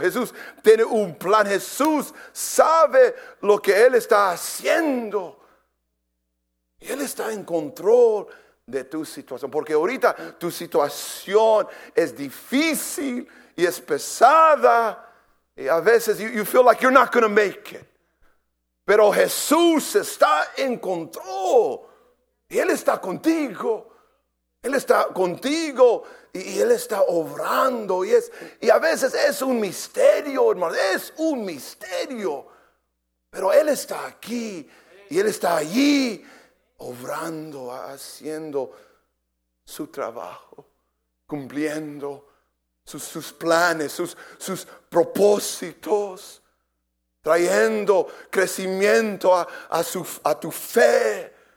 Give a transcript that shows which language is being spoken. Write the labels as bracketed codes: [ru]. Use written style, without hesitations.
[es] Jesús tiene un plan. Jesús sabe lo que Él está haciendo. Y Él está en control de tu situación. Porque ahorita tu situación es difícil y es pesada. Y a veces [en] you feel like you're not going to make it. [es] Pero Jesús está en control. Y Él está contigo. Él está contigo y Él está obrando. Y a veces es un misterio, hermano. Es un misterio. Pero Él está aquí y Él está allí obrando, haciendo su trabajo, cumpliendo sus planes, sus propósitos, trayendo crecimiento a tu fe.